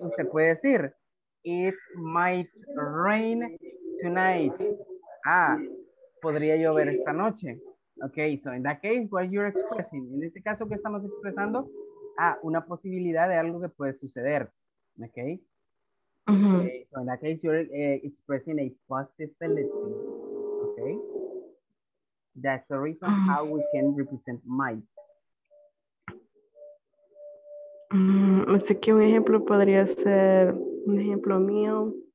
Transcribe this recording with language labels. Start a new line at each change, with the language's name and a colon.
Spanish: Usted puede decir,
English: it might rain tonight.
Spanish: Podría llover esta noche. Okay,
English: so in that case, what you're expressing,
Spanish: en este caso que estamos expresando, ah, una posibilidad de algo que puede suceder.
English: Okay. Okay, so in that case, you're expressing a possibility, okay? That's the reason how we can represent might.
Spanish: Así que un ejemplo podría ser un ejemplo mío.